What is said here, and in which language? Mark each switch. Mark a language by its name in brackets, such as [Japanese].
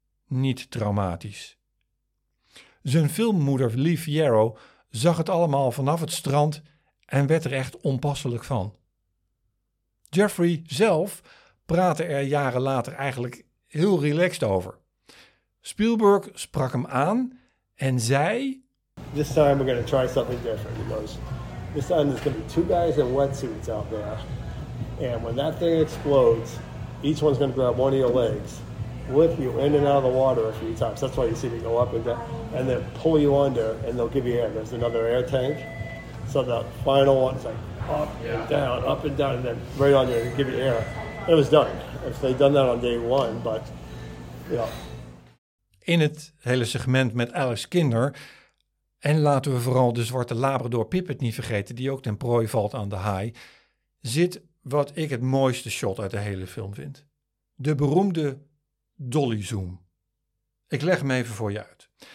[Dutch] Niet traumatisch. Zijn filmmoeder Leigh Yarrow zag het allemaal vanaf het strand en werd er echt onpasselijk van. Jeffrey zelf praatte er jaren later eigenlijk heel relaxed over. Spielberg sprak hem aan en zei: [English] "This time we're going to try something different. He goes, this time there's going to be two guys in wetsuits out there. And when that thing explodes, each one's going to grab one of your legs, lift you in and out of the water a few times. That's why you see me go up and down. And then pull you under and they'll give you air. There's another air tank. So the final one's like up and down, up and down, and then right on there to give you air. It was done. If they'd done that on day one, but, you know." [Dutch] In het hele segment met Alice Kinder, en laten we vooral de zwarte Labrador Pippet niet vergeten, die ook ten prooi valt aan de haai, zit wat ik het mooiste shot uit de hele film vind. De beroemde dolly zoom. Ik leg hem even voor je uit.